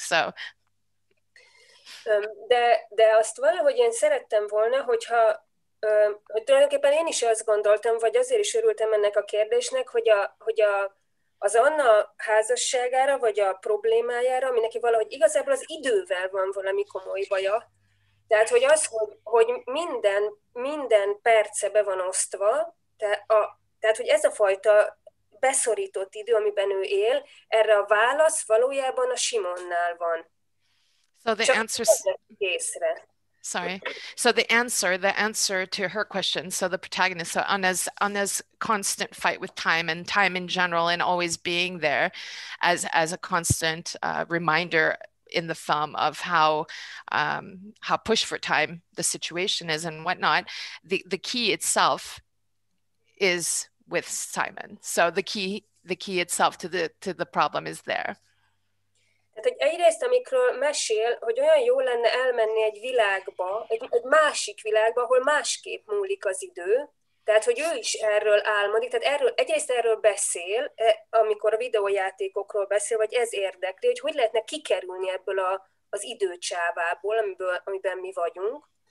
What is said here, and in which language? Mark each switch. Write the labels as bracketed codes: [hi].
[en] So [hu] de azt valahogy én szerettem volna, hogyha hogy tulajdonképpen én is azt gondoltam, vagy azért is örültem ennek a kérdésnek, hogy az Anna házasságára, vagy a problémájára, ami neki valahogy igazából az idővel van valami komoly baja. Tehát, hogy az, hogy minden perce be van osztva, tehát, hogy ez a fajta beszorított idő, amiben ő él, erre a válasz valójában a Simonnál van. [en] So the answer... Sorry. So the answer to her question, so the protagonist, so Anna's constant fight with time and time in general and always being there as a constant reminder in the film of how pushed for time the situation is and whatnot, the key itself is with Simon. So the key itself to the problem is there. [hu] Tehát, hogy egyrészt, amikről mesél, hogy olyan jó lenne elmenni egy világba, egy másik világba, ahol másképp múlik az idő, tehát, hogy ő is erről álmodik, tehát erről, egyrészt erről beszél, amikor a videójátékokról beszél, vagy ez érdekli, hogy hogy lehetne kikerülni ebből az időcsávából, amiben mi vagyunk.